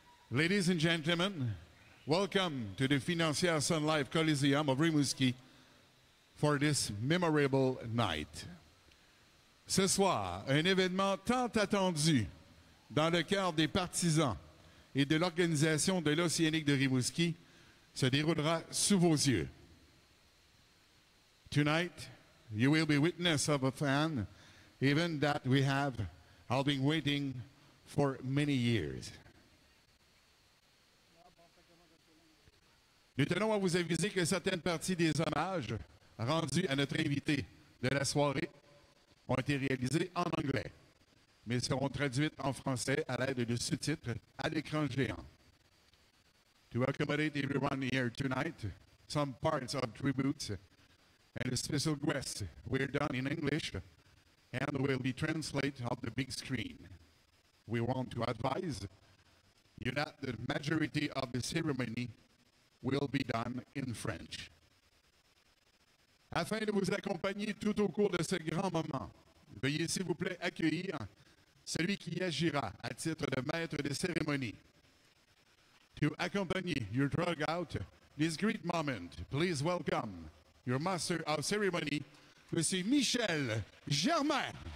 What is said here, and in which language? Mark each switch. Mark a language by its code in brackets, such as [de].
[en] Ladies and gentlemen, welcome to the financière Sun Life Coliseum of Rimouski for this memorable night. [fr] Ce soir, un événement tant attendu dans le cœur des partisans et de l'organisation de l'Océanique de Rimouski se déroulera sous vos yeux. [en] Tonight, you will be witness of a fan event that we have all been waiting for many years. [fr] Nous tenons à vous aviser que certaines parties des hommages rendus à notre invité de la soirée ont été réalisées en anglais, mais seront traduites en français à l'aide de sous-titres à l'écran géant. [en] To accommodate everyone here tonight, some parts of tributes and a special guest were done in English and will be translated on the big screen. We want to advise you that the majority of the ceremony will be done in French. [fr] Afin de vous accompagner tout au cours de ce grand moment, veuillez s'il vous plaît accueillir celui qui agira à titre de maître de cérémonie. [en] To accompany your drug out this great moment, please welcome your master of ceremony, Monsieur Michel Germain.